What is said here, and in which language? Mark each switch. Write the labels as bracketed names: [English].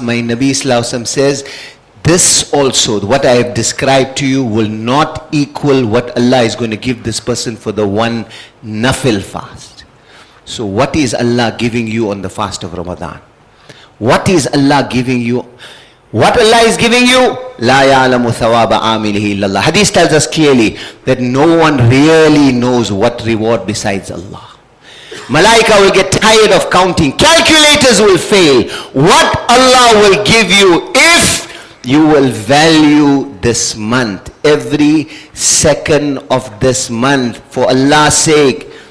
[English] My Nabi Sallallahu Alaihi Wasallam says, this also, what I have described to you, will not equal what Allah is going to give this person for the one nafil fast. So what is Allah giving you on the fast of Ramadan? What is Allah giving you? What Allah is giving you? [Arabic] لا يعلم ثواب عامله إلا الله. [English] Hadith tells us clearly that no one really knows what reward besides Allah. Malaika will get tired of counting. Calculators will fail. What Allah will give you if you will value this month, every second of this month, for Allah's sake.